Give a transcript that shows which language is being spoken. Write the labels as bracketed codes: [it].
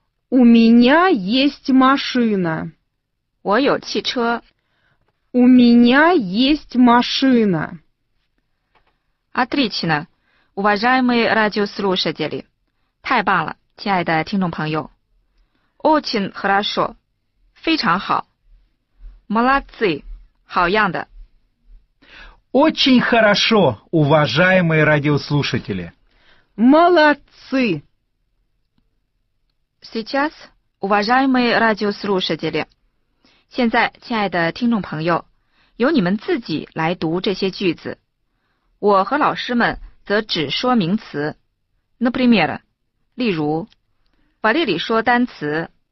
[ru] У меня есть машина. [zh] 我有汽车。 [ru] У меня есть машина. Отлично. Уважаемые радиослушатели, [zh] 太棒了，亲爱的听众朋友。 [ru] Очень хорошо, [zh] 非常好。 [ru] Молодцы, [zh] 好样的。 [ru] Очень хорошо, уважаемые радиослушатели. Молодцы. Сейчас, уважаемые радиослушатели, [zh] 现在，亲爱的听众朋友，由你们自己来读这些句子。我和老师们则只说名词。 [ru] Например, [zh] 例如，瓦列里说单词。